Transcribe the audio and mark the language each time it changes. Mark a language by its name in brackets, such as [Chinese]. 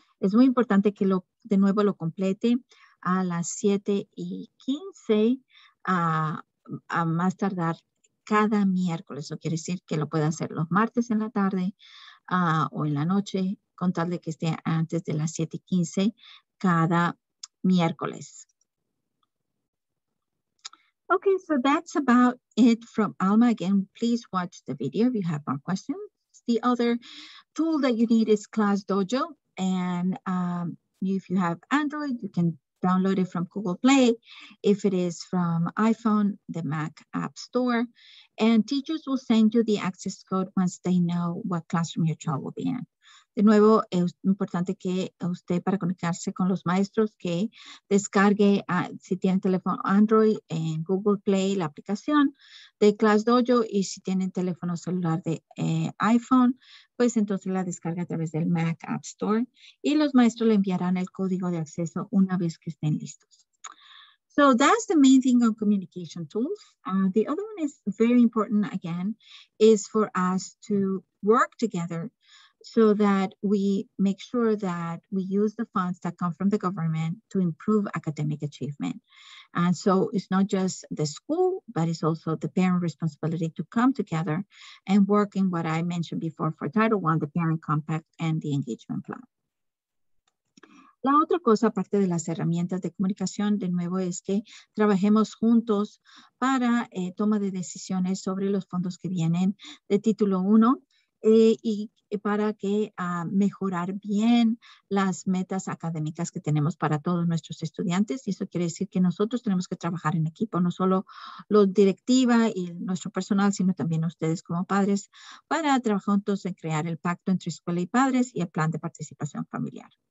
[Spanish] Es muy importante que de nuevo lo complete a las 7:15 a más tardar cada miércoles. Eso quiere decir que lo puede hacer los martes en la tarde o en la noche, con tal de que esté antes de las 7:15 cada miércoles. [English] Okay, so that's about it from ALMA. Again, please watch the video if you have more questions. The other tool that you need is ClassDojo. And if you have Android, you can download it from Google Play. If it is from iPhone, the Mac App Store. And teachers will send you the access code once they know what classroom your child will be in. [Spanish] De nuevo, es importante que usted, para conectarse con los maestros, que descargue, si tiene teléfono Android, en Google Play, la aplicación de ClassDojo, y si tiene teléfono celular de iPhone, pues entonces la descarga a través del Mac App Store, y los maestros le enviarán el código de acceso una vez que estén listos. [English] So that's the main thing on communication tools. The other one is very important, again, is for us to work together so that we make sure that we use the funds that come from the government to improve academic achievement. And so it's not just the school, but it's also the parent responsibility to come together and work in what I mentioned before for Title I, the parent compact and the engagement plan. [Spanish] La otra cosa, aparte de las herramientas de comunicación, de nuevo, es que trabajemos juntos para toma de decisiones sobre los fondos que vienen de Título I. Y para que mejorar bien las metas académicas que tenemos para todos nuestros estudiantes. Y eso quiere decir que nosotros tenemos que trabajar en equipo, no solo los directiva y nuestro personal, sino también ustedes como padres, para trabajar juntos en crear el pacto entre escuela y padres y el plan de participación familiar.